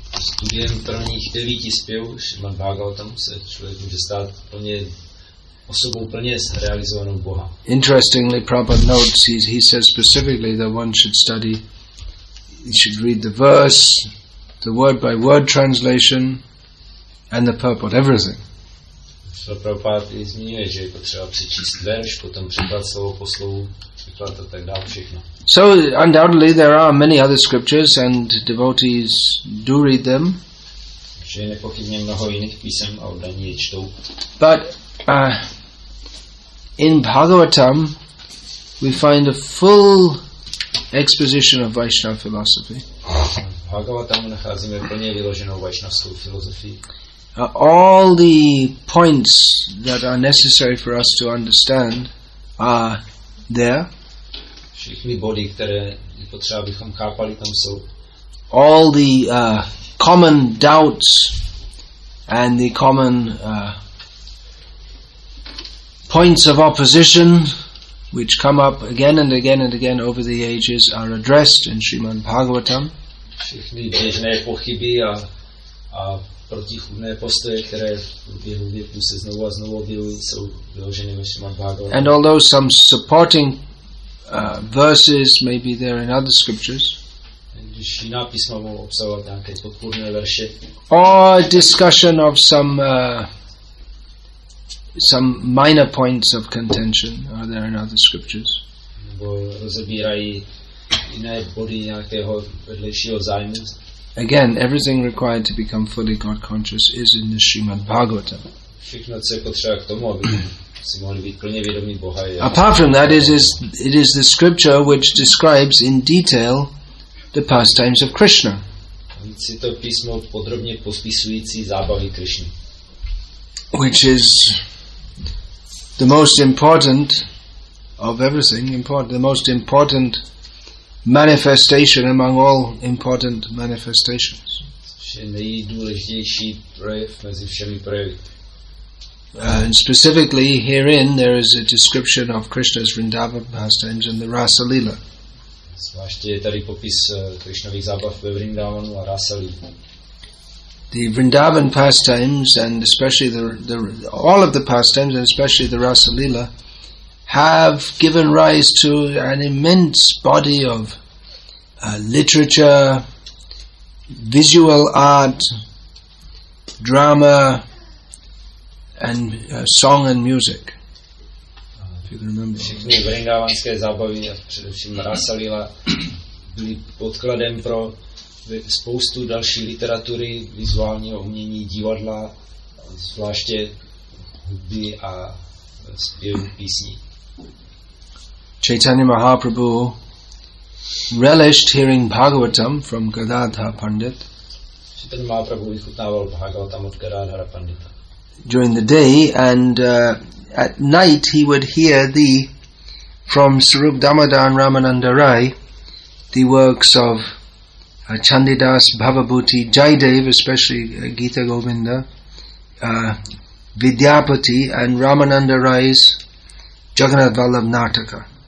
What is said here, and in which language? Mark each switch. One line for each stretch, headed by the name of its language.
Czech: Studiem prvních 9 zpěvů Srimad Bhagavatam se člověk může stát plně osobou plně realizovanou Boha.
English: Interestingly, Prabhupada notes, he says specifically that one should study, he should read the verse, the word by word translation, and the purport, everything. Sr.
Czech: Prabhupada i zmiňuje, že je potřeba přečíst verš, potom překlad slovo po slovu, překlad a tak dále, všechno.
English: So undoubtedly there are many other scriptures and devotees do read them.
Czech: Že je nepochybně mnoho jiných písem a oddaní je čtou.
English: But in Bhagavatam we find a full exposition of Vaishnava philosophy.
Czech: V Bhagavatamu nacházíme plně vyloženou vaishnavskou filozofii.
English: All the points that are necessary for us to understand are there.
Czech: Všechny body, které je potřeba, abychom chápali, tam jsou.
English: All the common doubts and the common points of opposition which come up again and again and again over the ages are addressed in Srimad Bhagavatam.
Czech: Všechny běžné pochyby a protichůdné postoje, které v běhu věku se znovu a znovu objevují, jsou vyloženy ve Srimad Bhagavatam.
English: And although some supporting verses may be there in other scriptures,
Czech: když jiná písma mohou obsahovat nějaké podpůrné verše,
English: or discussion of some minor points of contention are there in other scriptures,
Czech: nebo rozebírají jiné body nějakého vedlejšího zájmu.
English: Again, everything required to become fully God conscious is in the Srimad Bhagavatam.
Czech: Všechno, co je potřeba k tomu, aby si mohli být plně vědomí Boha.
English: Apart from that, it is the scripture which describes in detail the pastimes of Krishna.
Czech: Je to písmo podrobně popisující zábavy Krishny.
English: Which is the most important of everything, the most important manifestation among all important manifestations.
Czech: Nejdůležitější projev mezi všemi projevy.
English: And specifically herein there is a description of Krishna's Vrindava pastimes and the Rasa Lila.
Czech: Zvláště je tady popis Krishnových zábav ve Vrindavanu a Rasa Lila.
English: The Vrindavan pastimes and especially the Rasa Lila have given rise to an immense body of literature, visual art, drama, and song and music. If you can remember.
Czech: Všechny vrindavanské zábavy a především Rasa Lila byly podkladem pro spoustu další literatury, vizuálního umění, divadla, zvláště hudby a zpěvu písní.
English: Chaitanya Mahaprabhu relished hearing Bhagavatam from Gadadhar Pandit.
Czech: Chaitanya Mahaprabhu vychutnával Bhagavatam od Gadadhara Pandita.
English: During the day and at night he would hear from Sarup Damodar and Ramananda Rai the works of Chandidas, Bhavabhuti, Jaidev, especially Gita Govinda, Vidyapati and Ramananda Rai's Jagannath Vallabh Nataka.